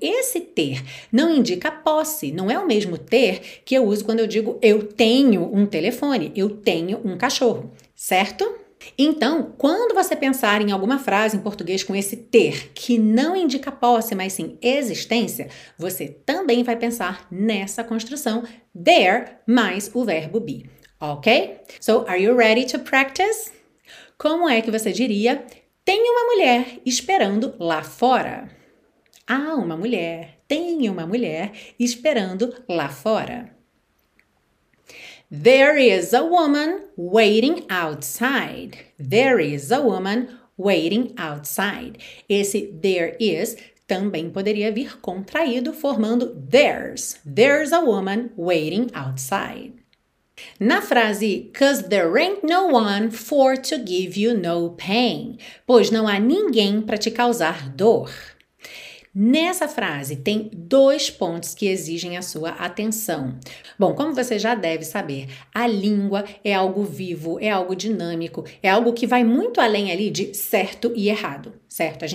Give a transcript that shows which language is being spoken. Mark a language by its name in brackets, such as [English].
[Portuguese] Esse ter não indica posse, não é o mesmo ter que eu uso quando eu digo eu tenho um telefone, eu tenho um cachorro, certo? Então, quando você pensar em alguma frase em português com esse ter que não indica posse, mas sim existência, você também vai pensar nessa construção there mais o verbo be, ok? [English] So, are you ready to practice? [Portuguese] Como é que você diria? Tem uma mulher esperando lá fora. Há uma mulher. Tem uma mulher esperando lá fora. [English] There is a woman waiting outside. There is a woman waiting outside. [Portuguese] Esse there is também poderia vir contraído, formando there's. [English] There's a woman waiting outside. [Portuguese] Na frase, [English] 'cause there ain't no one for to give you no pain, [Portuguese] pois não há ninguém para te causar dor. Nessa frase tem dois pontos que exigem a sua atenção. Bom, como você já deve saber, a língua é algo vivo, é algo dinâmico, é algo que vai muito além ali de certo e errado, certo?